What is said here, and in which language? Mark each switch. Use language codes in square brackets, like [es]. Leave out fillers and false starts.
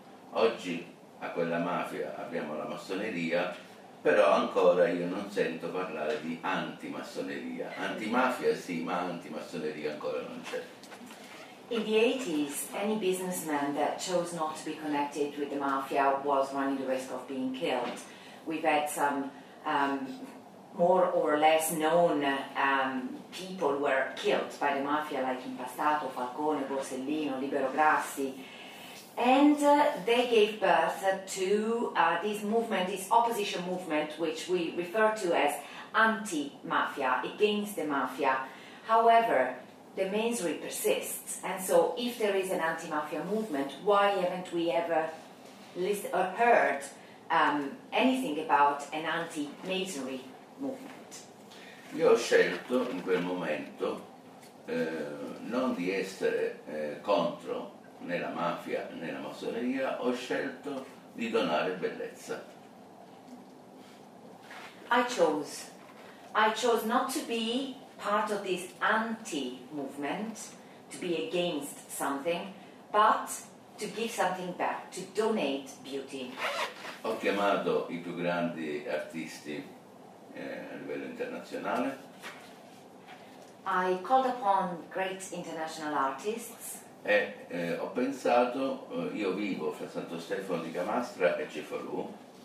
[it] Oggi a quella mafia abbiamo la massoneria, però ancora io non sento parlare di antimassoneria. Antimafia sì, ma antimassoneria ancora non c'è. [en] In the 80s, any businessman that chose not to be connected with the mafia was running the risk of being killed. We've had some more or less known people were killed by the mafia, like Impastato, Falcone, Borsellino, Libero Grassi. And they gave birth to this movement, this opposition movement, which we refer to as anti-mafia, against the mafia. However, the masonry persists. And so if there is an anti-mafia movement, why haven't we ever heard anything about an anti-masonry movement? [it] Io ho scelto in quel momento non di essere contro né la mafia né la massoneria, ho scelto di donare bellezza. [en] I chose not to be part of this anti-movement, to be against something, but to give something back, to donate beauty. [it] Ho chiamato i più grandi artisti a livello internazionale. [en] I called upon great international artists. [it] Ho pensato, io vivo fra Santo Stefano di Camastra e Cefalù.